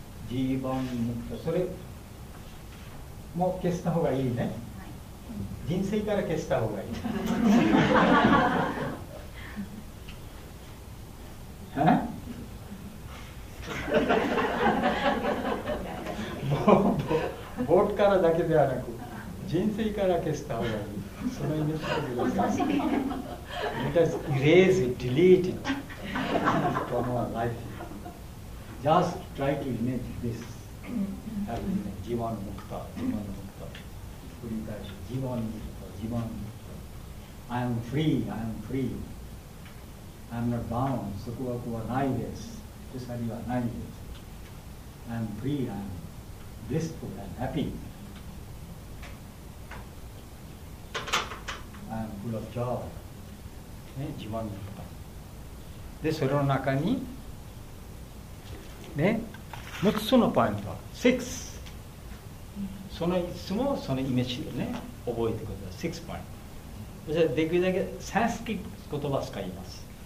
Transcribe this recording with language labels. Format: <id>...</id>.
<ja>自分に向くと、それも消した方がいいね、人生から消した方がいいボートからだけではなく人生から消した方がいい、そのイメージでございます。</ja> <en>Let us erase it, delete it from our life. Just try to image this.</en> <ja>自分の目的、自分の目的。繰り返し、自分の目的、自分の目的。</ja> <en>I am free, I am free. I am not bound.</en> <ja>束縛はないです。鎖はないです。</ja> <en>I am free, I am free. Blissful and happy. I am full of joy.</en> <ja>ね、自分の中。で、それの中に、ね、6つのポイントは、6。そのいつもそのイメージをね、覚えてください。 6ポイント。そしてできるだけサンスクリット言葉を使います。</ja>